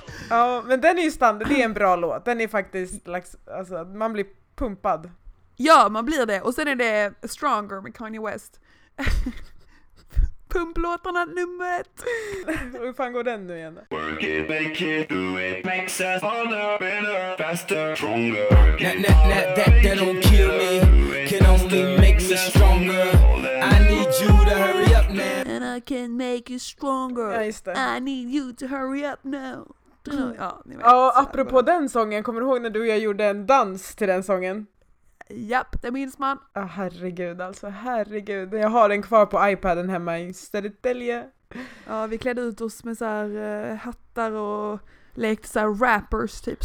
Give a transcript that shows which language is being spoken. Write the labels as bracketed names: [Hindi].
[Swedish] Ja, men den är ju standard, det är en bra låt. Den är faktiskt, alltså, man blir pumpad. Ja, man blir det. Och sen är det Stronger med Kanye West. Pumplåtarna nummer 1. Hur fan går den nu igen? [English] Work it, make it, do it, makes us harder, better, faster, stronger. That don't kill me, can only make us stronger. I need you to hurry up now. And I can make you stronger. [Swedish] Ja, just det. [English] I need you to hurry up now. Mm. [Swedish] Ja, och apropå den sången, kommer du ihåg när du och jag gjorde en dans till den sången? Japp, det minns man. Ja, herregud, alltså, herregud. Jag har den kvar på iPaden hemma i Södertälje. Ja, vi klädde ut oss med så här hattar och lekte så här rappers typ.